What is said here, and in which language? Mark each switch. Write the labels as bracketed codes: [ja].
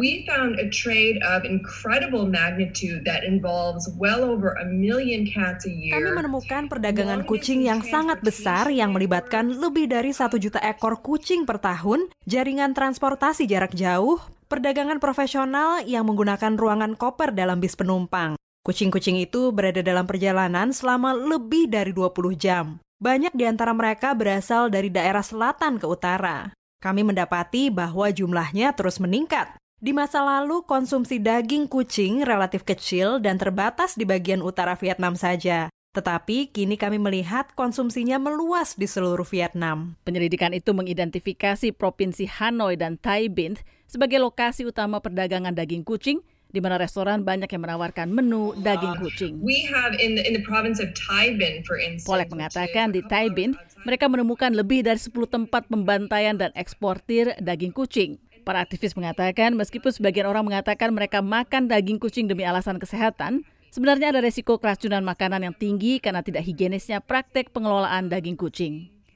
[en] "We found a trade of incredible magnitude that involves well over a million cats a year." [id] Kami menemukan perdagangan kucing yang sangat besar yang melibatkan lebih dari 1 juta ekor kucing per tahun, jaringan transportasi jarak jauh, perdagangan profesional yang menggunakan ruangan koper dalam bis penumpang. Kucing-kucing itu berada dalam perjalanan selama lebih dari 20 jam. Banyak di antara mereka berasal dari daerah selatan ke utara. Kami mendapati bahwa jumlahnya terus meningkat. Di masa lalu, konsumsi daging kucing relatif kecil dan terbatas di bagian utara Vietnam saja. Tetapi kini kami melihat konsumsinya meluas di seluruh Vietnam. Penyelidikan itu mengidentifikasi Provinsi Hanoi dan Thai Binh sebagai lokasi utama perdagangan daging kucing, di mana restoran banyak yang menawarkan menu daging kucing. [en] We have in the province of Thai Binh, for instance. [id] Pollack mengatakan di Thai Binh, mereka menemukan lebih dari 10 tempat pembantaian dan eksportir daging kucing. Para aktivis mengatakan, meskipun sebagian orang mengatakan mereka makan daging kucing demi alasan kesehatan, sebenarnya ada resiko keracunan makanan yang tinggi karena tidak higienisnya praktek pengelolaan daging kucing.